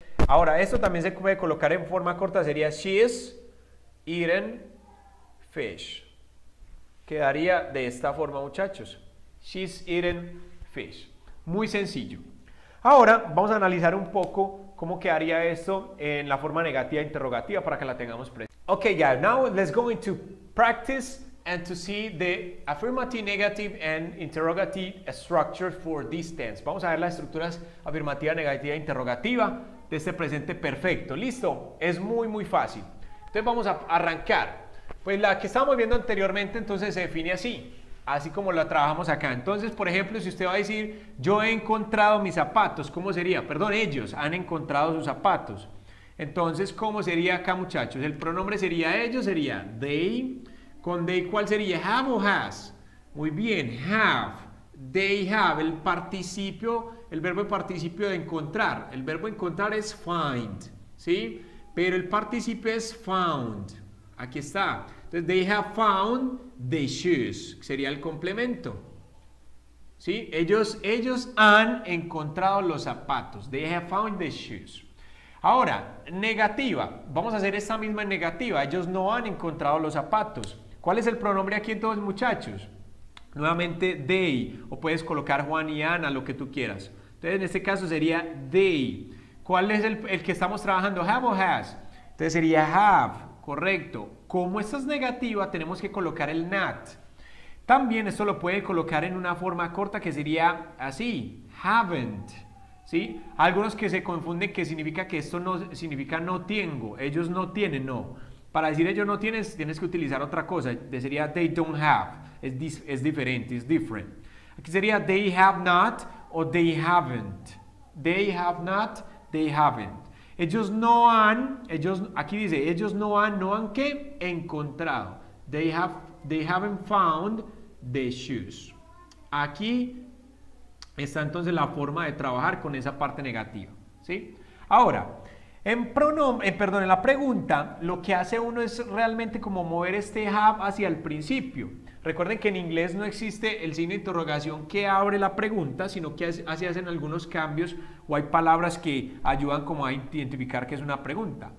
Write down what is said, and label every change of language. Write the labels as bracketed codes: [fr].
[es] Ahora, esto también se puede colocar en forma corta, sería [en] she's eaten fish. [es] Quedaría de esta forma, muchachos. [en] She's eaten fish. [es] Muy sencillo. Ahora, vamos a analizar un poco cómo quedaría esto en la forma negativa interrogativa para que la tengamos presente. [en] Ok, guys, now let's go into practice and to see the affirmative, negative and interrogative structure for this tense. [es] Vamos a ver las estructuras afirmativa, negativa e interrogativa de este presente perfecto. ¿Listo? Es muy, muy fácil. Entonces, vamos a arrancar. Pues la que estábamos viendo anteriormente, entonces, se define así. Así como la trabajamos acá. Entonces, por ejemplo, si usted va a decir, yo he encontrado mis zapatos, ¿cómo sería? Perdón, ellos han encontrado sus zapatos. Entonces, ¿cómo sería acá, muchachos? El pronombre sería ellos, sería they. ¿Con they cuál sería? ¿Have o has? Muy bien, have. [en] They have, [es] el participio, el verbo participio de encontrar. El verbo encontrar es find, ¿sí? Pero el participio es found. Aquí está. Entonces, [en] they have found the shoes. [es] Sería el complemento. ¿Sí? Ellos han encontrado los zapatos. [en] They have found the shoes. [es] Ahora, negativa. Vamos a hacer esta misma negativa. Ellos no han encontrado los zapatos. ¿Cuál es el pronombre aquí entonces, muchachos? Nuevamente, they, o puedes colocar Juan y Ana, lo que tú quieras. Entonces, en este caso sería they. ¿Cuál es el que estamos trabajando? ¿Have o has? Entonces, sería have, correcto. Como esta es negativa, tenemos que colocar el not. También esto lo puede colocar en una forma corta que sería así, haven't. ¿Sí? Algunos que se confunden que significa que esto no significa no tengo, ellos no tienen, no. Para decir ellos no tienen, tienes que utilizar otra cosa, sería [en] they don't have. [es] Es diferente, es different. Aquí sería [en] they have not [es] o [en] they haven't. They have not, they haven't. [es] Ellos no han, ellos, aquí dice, ellos no han, no han qué, encontrado. [en] They haven't found the shoes. [es] Aquí está entonces la forma de trabajar con esa parte negativa, ¿sí? Ahora, en la pregunta, lo que hace uno es realmente como mover este have hacia el principio. Recuerden que en inglés no existe el signo de interrogación que abre la pregunta, sino que así hacen algunos cambios o hay palabras que ayudan como a identificar que es una pregunta.